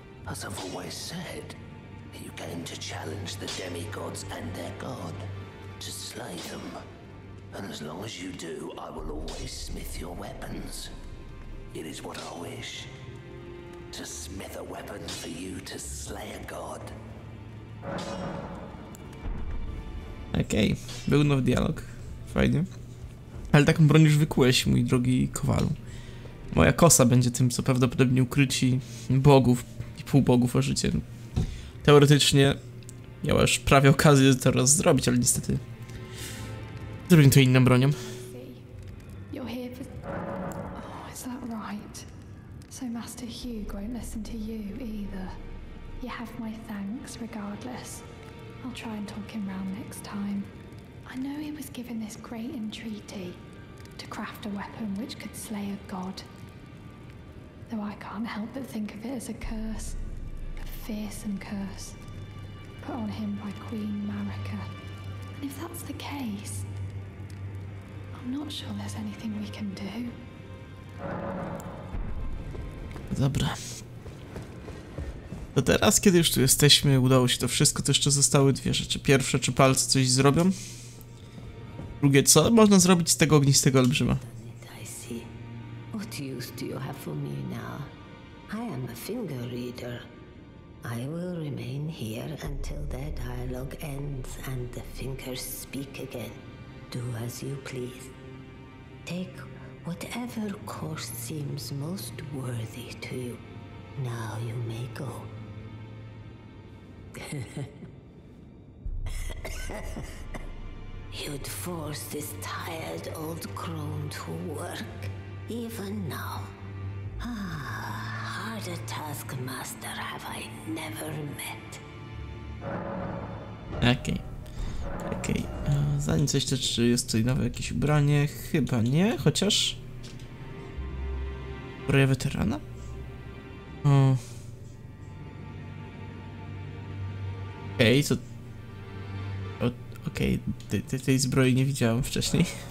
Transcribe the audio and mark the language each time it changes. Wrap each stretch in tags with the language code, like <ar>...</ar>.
<en>As I've always said, you came to challenge the demigods and their god, to slay them. And as long as you do, I will always smith your weapons. It is what I wish, to smith a weapon for you to slay a god.</en> <pl>Okej, był nowy dialog, fajnie. Ale taką broń już wykułeś, mój drogi kowalu. Moja kosa będzie tym, co prawdopodobnie ukryci bogów. Pół bogów o życie. Teoretycznie miała już prawie okazję to teraz zrobić, ale niestety zrobię to inną bronią.</pl> <en>You're here for... Oh, is that right? So Master Hugh won't listen to you either. You have my thanks regardless. I'll try and talk him round next time. I know he was given this great entreaty to craft a weapon which could slay a god. Though I can't help but think of it as a curse. A fearsome curse. Put on him by Queen Marika. And if that's the case, I'm not sure there's anything we can do.</en> <pl>Dobra. To teraz, kiedy już tu jesteśmy, udało się to wszystko, to jeszcze zostały dwie rzeczy. Pierwsze, czy palce coś zrobią? Drugie, co można zrobić z tego ognistego olbrzyma?</pl> <en>What use do you have for me now? I am a finger reader. I will remain here until their dialogue ends and the fingers speak again. Do as you please. Take whatever course seems most worthy to you. Now you may go. You'd force this tired old crone to work. Even now. Ah, harder task, master, have I never met.</en> <pl>Okej. Okej. Zanim coś jeszcze, czy jest tutaj nowe jakieś ubranie? Chyba nie, chociaż... Ubranie weterana? Okej, co... Okej, tej zbroi nie widziałem wcześniej.</pl>